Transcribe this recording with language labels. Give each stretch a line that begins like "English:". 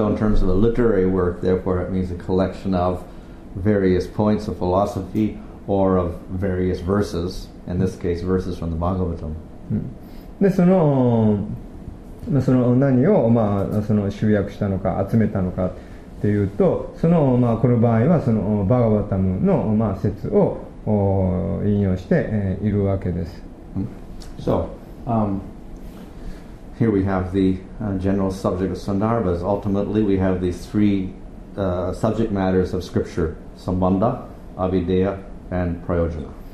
English: So in terms of a literary work, therefore it means a collection of various points of philosophy or of various verses, in this case verses from the Bhagavatam.
Japanese: で、その何を、まあ、その集約したのか集めたのかというと、その、まあ、この場合はそのバガバタムの、まあ、説を引用しているわけです。
English: So, here we have the general subject of Sandarbhas. Ultimately, we have these three subject matters of scripture: Sambandha, Avideya, and Prayojana.